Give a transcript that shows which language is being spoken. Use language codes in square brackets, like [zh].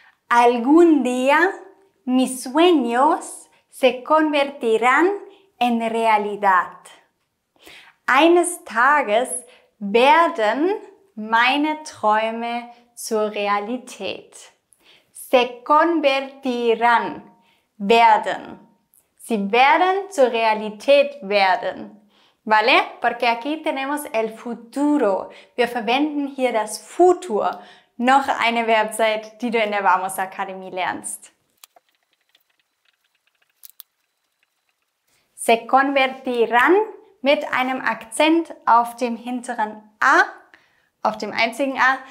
[es] Algún día mis sueños se convertirán en realidad. [de] Eines Tages werden meine Träume zur Realität. [es] Se convertirán, [de] werden. Sie werden zur Realität werden. [es] ¿Vale? Porque aquí tenemos el futuro. [de] Wir verwenden hier das Futur. Noch eine Verbzeit, die du in der Vamos Akademie lernst. Se convertirán mit einem Akzent auf dem hinteren A, auf dem einzigen A.